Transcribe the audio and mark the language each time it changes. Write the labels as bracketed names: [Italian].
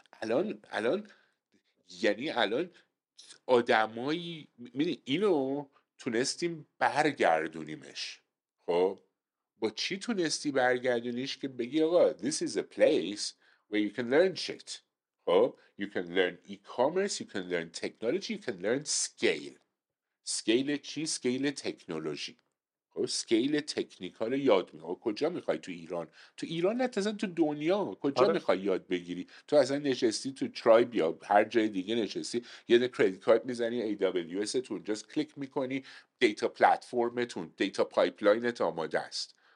[Persian] الان یعنی الان آدمایی اینو تونستیم برگردونیمش. خب با چی تونستی برگردونیش که بگی آقا [English] this is a place where you can learn shit. خب you can learn e-commerce, you can learn technology, you can learn scale. [Persian] scale چی؟ scale تکنولوژی. خب scale تکنیکال یاد میگه کجا میخوای تو ایران؟ تو ایران نه، اصلا تو دنیا کجا میخوای یاد بگیری؟ تو اصلا نشستی تو ترایب یا هر جای دیگه نشستی یه دونه کریدیت کارت میزنی AWS تو اونجاست کلیک میکنی دیتا پلتفرمتون، دیتا پایپلاینت آماده است.